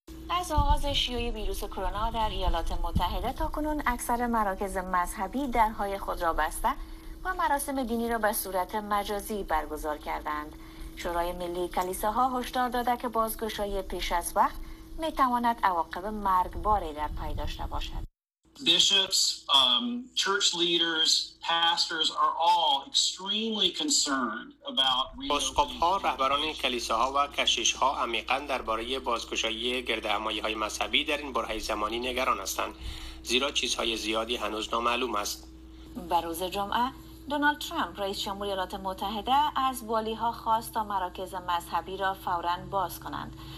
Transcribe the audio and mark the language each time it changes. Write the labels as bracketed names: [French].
[Persian] از آغاز شیوع ویروس کرونا در ایالات متحده تا کنون اکثر مراکز مذهبی درهای خود را بسته و مراسم دینی را به صورت مجازی برگزار کردند. شورای ملی کلیساها هشدار داده که بازگشایی پیش از وقت می تواند عواقب مرگباری در پی داشته باشد. [English] Bishops, church leaders, pastors are all extremely concerned about [Persian] اسقف‌ها، رهبران کلیساها و کشیش‌ها عمیقاً درباره بازگشایی گردهمایی‌های مذهبی در این برهه زمانی نگران هستند، زیرا چیزهای زیادی هنوز نامعلوم است. به روز جمعه دونالد ترامپ رئیس جمهور ایالات متحده از والی‌ها خواست تا مراکز مذهبی را فوراً باز کنند.